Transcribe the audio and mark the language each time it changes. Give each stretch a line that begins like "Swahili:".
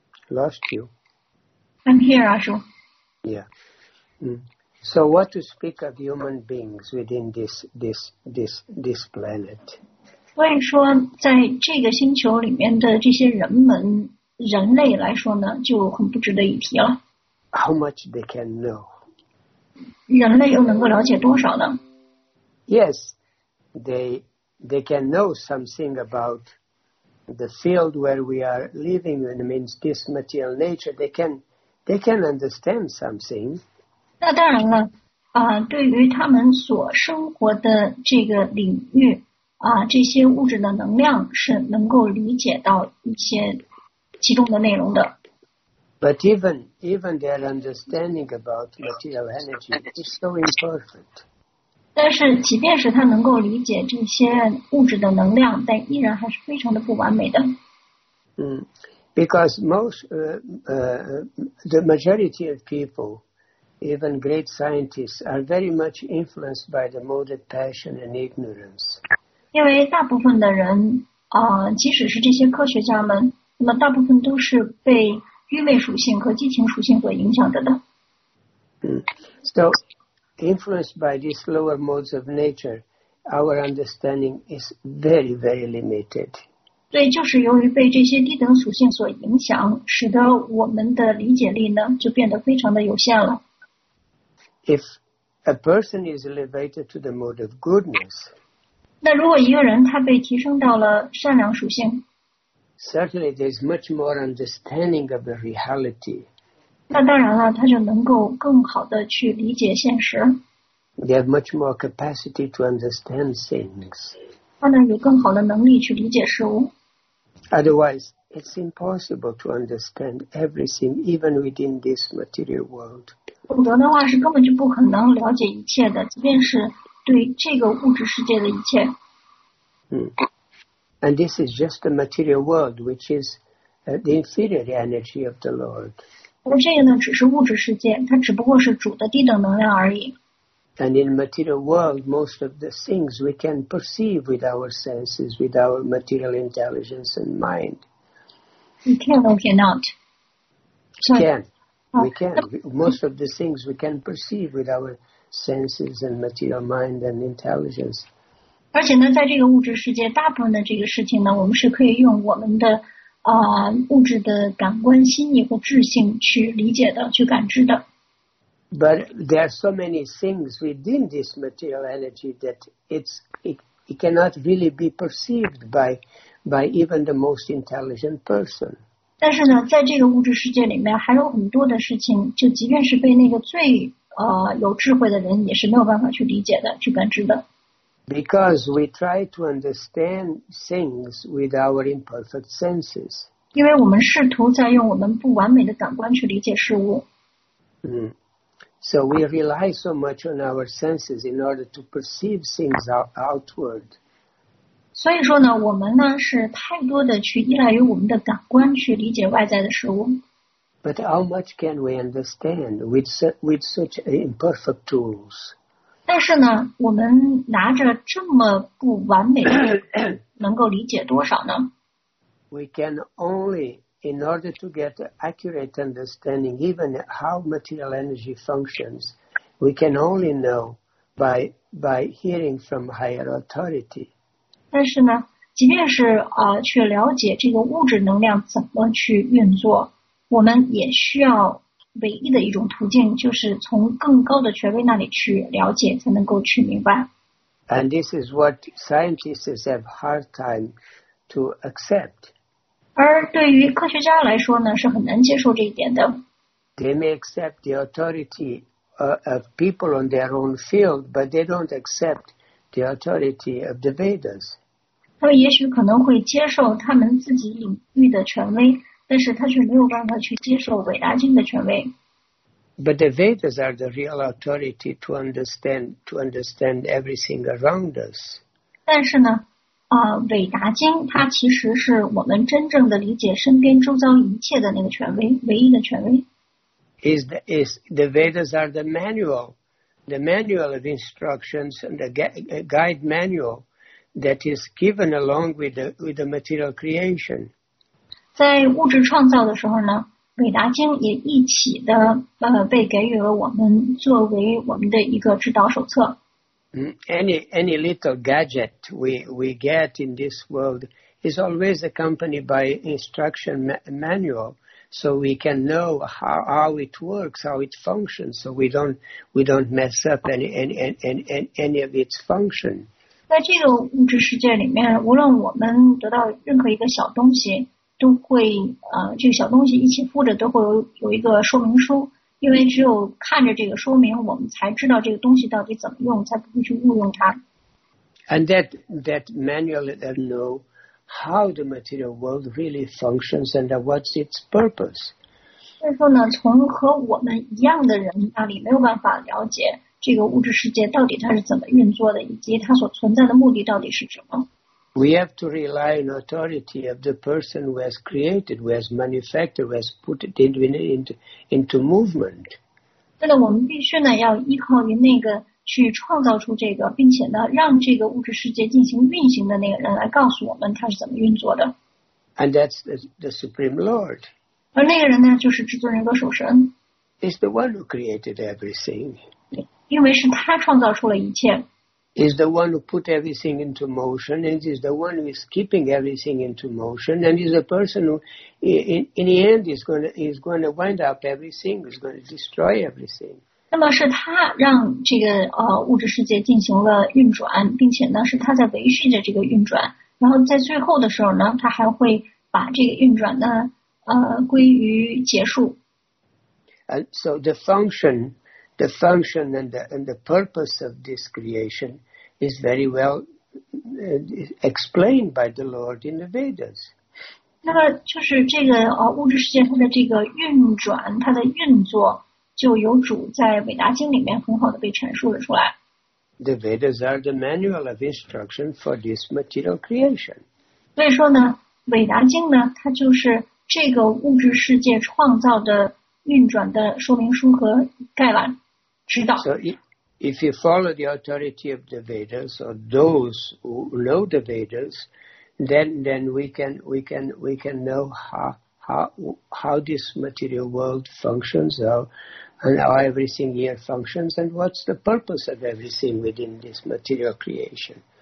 English: ，Lost you. I'm here, Ashu. Yeah. So what to speak of human beings within this planet?
Chinese: 所以说，在这个星球里面的这些人们。人类来说呢，就很不值得一提了。
English: How much they can know?
Chinese: 人类又能够了解多少呢
English: ？Yes, they can know something about the field where we are living, and means this material nature. They can understand something.
Chinese: 那当然了，对于他们所生活的这个领域，这些物质的能量是能够理解到一些。其中的内容的。
English: But even their understanding about material energy is so imperfect.
Chinese: 但是，即便是他能够理解这些物质的能量，但依然还是非常的不完美的。
English: Because most the majority of people, even great scientists, are very much influenced by the motive passion and ignorance.
Chinese: 因为大部分的人即使是这些科学家们。那么大部分都是被愚昧属性和激情属性所影响着的。
English: So, influenced by these lower modes of nature, our understanding is very, very limited.
Chinese: 对，就是由于被这些低等属性所影响，使得我们的理解力呢，就变得非常的有限了。
English: If a person is elevated to the mode of goodness,
Chinese: 那如果一个人他被提升到了善良属性，
English: Certainly, there is much more understanding of the reality.
Chinese: 那当然了，他就能够更好的去理解现实。
English: They have much more capacity to understand things.
Chinese: 他呢有更好的能力去理解事物。
English: Otherwise, it's impossible to understand everything, even within this material world.
Chinese: 否则的话是根本就不可能了解一切的，即便是对这个物质世界的一切。
English: And this is just the material world, which is the inferior energy of the Lord.
Chinese: 而这个呢，只是物质世界，它只不过是主的低等能量而已。
English: And in material world, most of the things we can perceive with our senses, with our material intelligence and mind. We can or cannot. We can. Most of the things we can perceive with our senses and material mind and intelligence.
Chinese: 而且呢，在这个物质世界，大部分的这个事情呢，我们是可以用我们的物质的感官、心意和智性去理解的、去感知的。
English: But there are so many things within this material energy that it cannot really be perceived by even the most intelligent person.
Chinese: 但是呢，在这个物质世界里面，还有很多的事情，就即便是被那个最有智慧的人也是没有办法去理解的，去感知的。
English: Because we try to understand things with our imperfect senses.
Chinese: 因为我们试图在用我们不完美的感官去理解事物。
English: So we rely so much on our senses in order to perceive things outward.
Chinese: 所以说呢，我们呢是太多的去依赖于我们的感官去理解外在的事物。
English: But how much can we understand with such imperfect tools?
Chinese: 但是呢，我们拿着这么不完美的，能够理解多少呢？
English: We can only, in order to get accurate understanding, even how material energy functions, we can only know by hearing from higher authority.
Chinese: 但是呢，即便是去了解这个物质能量怎么去运作。我们也需要唯一的一种途径，就是从更高的权威那里去了解，才能够去明白。
English: And this is what scientists have hard time to accept.
Chinese: 而对于科学家来说呢，是很难接受这一点的。
English: They may accept the authority of people on their own field, but they don't accept the authority of the Vedas.
Chinese: 他们也许可能会接受他们自己领域的权威。但是他却没有办法去接受伟大经的权威。
English: But the Vedas are the real authority to understand everything around us.
Chinese: 但是呢，伟大经它其实是我们真正的理解身边周遭一切的那个权威，唯一的权威。
English: Is the Vedas are the manual of instructions and the guide manual that is given along with the material creation.
Chinese: 在物质创造的时候呢，伟达经也一起的被给予了我们作为我们的一个指导手册。
English: Any little gadget we get in this world is always accompanied by instruction manual, so we can know how it works, how it functions, so we don't mess up any of its function.
Chinese: 在这个物质世界里面，无论我们得到任何一个小东西。都会这个小东西一起附着都会有一个说明书，因为只有看着这个说明，我们才知道这个东西到底怎么用，才不会去误用它。
English: And that manual that know how the material world really functions and what's its purpose.
Chinese: 所以说呢，从和我们一样的人那里没有办法了解这个物质世界到底它是怎么运作的，以及它所存在的目的到底是什么。
English: We have to rely on authority of the person who has created, who has manufactured, who has put it into movement.
Chinese: 对了，我们必须呢要依靠于那个去创造出这个，并且呢让这个物质世界进行运行的那个人来告诉我们他是怎么运作的。
English: And that's the Supreme Lord.
Chinese: 而那个人呢就是至尊人格守神。
English: He's the one who created everything.
Chinese: 因为是他创造出了一切。
English: Is the one who put everything into motion, and is the one who is keeping everything into motion, and is the person who, in the end, is going to wind up everything, is going to destroy everything.
Chinese: 那么是他让这个物质世界进行了运转，并且呢是他在维系着这个运转，然后在最后的时候呢，他还会把这个运转呢归于结束。
English: And so the function and the purpose of this creation is very well explained by the Lord in the Vedas.
Chinese: 那么就是这个物质世界它的这个运转，它的运作就由主在伟达经里面很好的被阐述了出来。
English: The Vedas are the manual of instruction for this material creation.
Chinese: 所以说呢，伟达经呢，它就是这个物质世界创造的运转的说明书和概览。
English: So if you follow the authority of the Vedas or those who know the Vedas, then we can know how this material world functions, and how everything here functions, and what's the purpose of everything within this material creation.